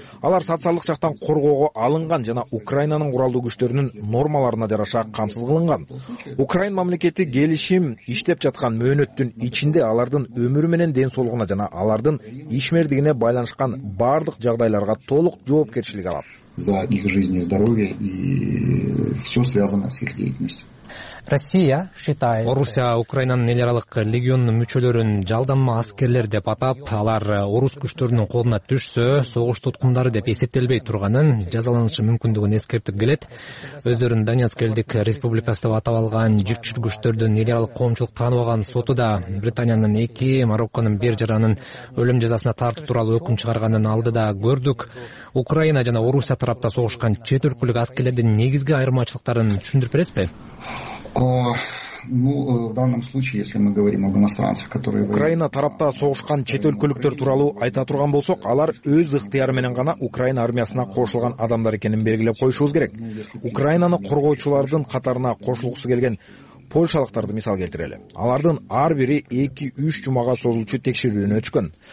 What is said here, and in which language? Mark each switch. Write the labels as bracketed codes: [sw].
[ky] Алар социалдык жактан коргоого алынган жана Украинанын куралдуу күчтөрүнүн нормаларына жараша камсыз кылынган. Украин мамлекети келишим иштеп жаткан мөөнөттүн ичинде алардын өмүрү менен ден соолугуна жана алардын ишмердигине байланышкан бардык жагдайларга толук жоопкерчилик алат. [ru] За их жизнь и здоровье и все связано с их деятельностью. Россия считает. [ky] Орусия Украинанын эл аралык легионунун мүчөлөрүн жалданма аскерлер деп атап, алар орус күчтөрүнүн колуна түшсө, согуш туткундары деп эсептелбей турганын, жазаланышы мүмкүндүгүн эскертип келет. Өздөрүн Донецк элдик республикасы деп атап алган жүрчүр күчтөрдүн эл аралык коомчулук таанып алган соту да Британиянын 2, Марокконун 1 жаранын өлүм жазасына тартуу тууралуу өкүм чыгарганын алдыда көрдүк. Украина жана Орусия тарапта согушкан чет өлкөлүк аскерлердин негизги айырмачылыктарын түшүндүрүп бересизби? [ru] В данном случае, если мы говорим об иностранцах, которые... [ky] Украина тарапта согушкан чет өлкөлүктөр тууралуу айта турган болсок, алар өз ыктыяры менен гана Украина армиясына кошулган адамдар экенин белгилеп коюшубуз керек. Украинаны коргоочулардын катарына кошулгусу келген польшалыктарды мисал келтирели. Алардын ар бири 2-3 жумага созулчу текшерүүнөн өткөн.